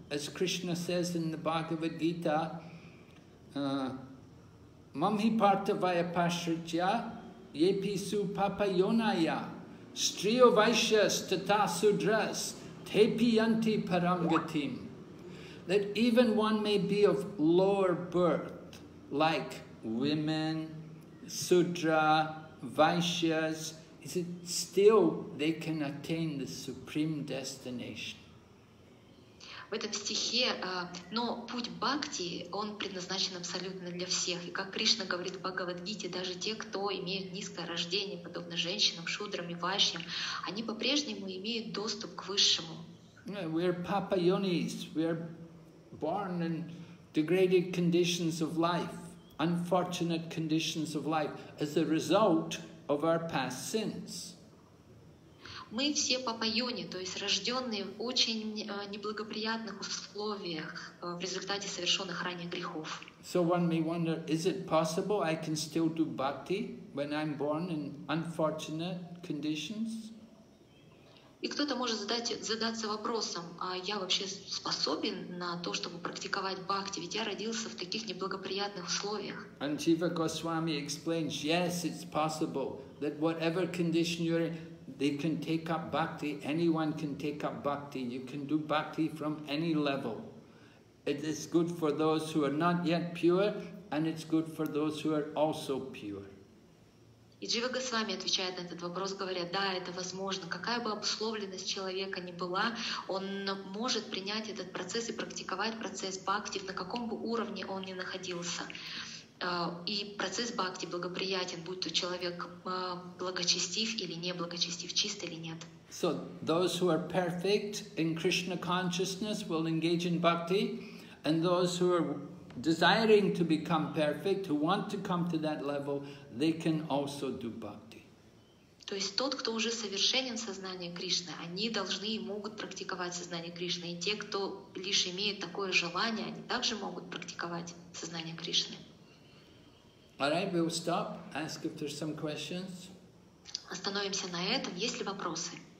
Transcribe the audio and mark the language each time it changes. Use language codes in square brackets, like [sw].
[en] As Krishna says in the Bhagavad Gita, [sa] Mamhi Partha Vaya Pashritya Yepisu Papa Yonaya Striyo Vaishyas Tata Sudras Tepiyanti Paramgatim. [en] That even one may be of lower birth, like women, Sudra, Vaishyas, is it still they can attain the supreme destination? [ru] В этом стихе, но путь бхакти, он предназначен абсолютно для всех. И как Кришна говорит в Бхагавадгите, даже те, кто имеют низкое рождение, подобно женщинам, шудрам и вайшьям, они по-прежнему имеют доступ к высшему. [en] Yeah, we are papa yonis. We are born in degraded conditions of life, unfortunate conditions of life, as a result of our past sins. [ru] Мы все папа-йони, то есть рожденные в очень неблагоприятных условиях в результате совершенных ранее грехов. [en] So one may wonder, is it possible I can still do bhakti when I'm born in unfortunate conditions? [ru] И кто-то может задаться вопросом, а я вообще способен на то, чтобы практиковать бхакти, ведь я родился в таких неблагоприятных условиях. [en] And Jiva Goswami explains, yes, it's possible that whatever condition you're in, they can take up bhakti, anyone can take up bhakti, you can do bhakti from any level. It is good for those who are not yet pure, and it's good for those who are also pure. [ru] И Джива Госвами отвечает на этот вопрос, говоря, да, это возможно, какая бы обусловленность человека ни была, он может принять этот процесс и практиковать процесс бхакти, на каком бы уровне он ни находился. И процесс бхакти благоприятен, будь то человек благочестив или неблагочестив, чист или нет. [en] So those who are perfect in Krishna consciousness will engage in bhakti, and those who are desiring to become perfect, who want to come to that level, they can also do bhakti. [ru] То есть тот, кто уже совершенен в сознании Кришны, они должны и могут практиковать сознание Кришны. И те, кто лишь имеет такое желание, они также могут практиковать сознание Кришны. [en] All right, we'll stop, ask if there's some questions. [ru] Остановимся на этом. Есть ли вопросы?